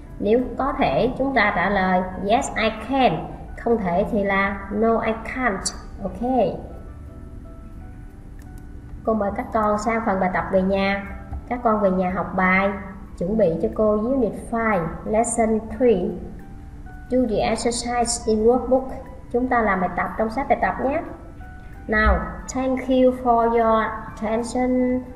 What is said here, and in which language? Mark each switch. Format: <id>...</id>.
<vi>Nếu có thể, chúng ta trả lời</vi> <en>Yes, I can.</en> <vi>Không thể thì là</vi> <en>No, I can't.</en> <vi>Ok. Cô mời các con sang phần bài tập về nhà. Các con về nhà học bài, chuẩn bị cho cô Unit 5, Lesson 3.</vi> <en>Do the exercise in workbook.</en> <vi>Chúng ta làm bài tập trong sách bài tập nhé.</vi> <en>Now, thank you for your attention.</en>